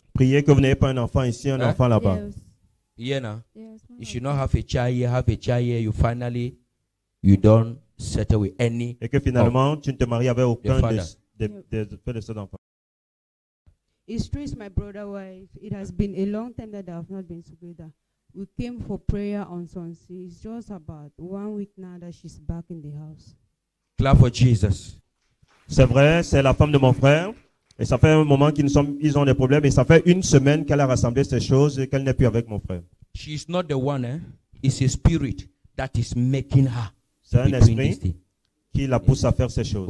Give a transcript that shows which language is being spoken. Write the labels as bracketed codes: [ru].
[fr] Priez que vous n'ayez pas un enfant ici, un enfant là-bas. [en] Yes. Yeah, nah. You should not have a child here. Have a child here. You don't settle with any. [fr] Et que finalement, tu ne te maries avec aucun [en] It's true, it's my brother wife. It has been a long time that they have not been together. We came for prayer on Sunday. It's just about 1 week now that she's back in the house. Clap for Jesus. [fr] C'est vrai, c'est la femme de mon frère. Et ça fait un moment qu'ils sont, ils ont des problèmes. Et ça fait une semaine qu'elle a rassemblé ces choses et qu'elle n'est plus avec mon frère. [en] She's not the one, eh? It's a spirit that is making her. [fr] C'est un esprit qui la pousse à faire ces choses.